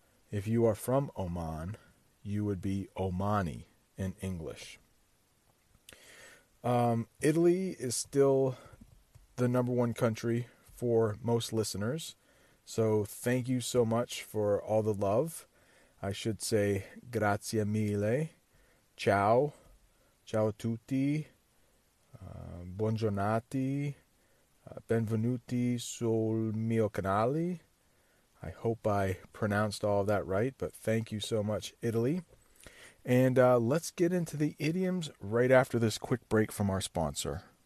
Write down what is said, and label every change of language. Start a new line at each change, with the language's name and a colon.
English: If you are from Oman, you would be Omani in English. Italy is still the number one country for most listeners. So thank you so much for all the love. I should say
Italian: grazie mille, ciao, ciao a tutti, buongiornati, benvenuti sul mio canale.
English: I hope I pronounced all of that right, but thank you so much, Italy. And let's get into the idioms right after this quick break from our sponsor.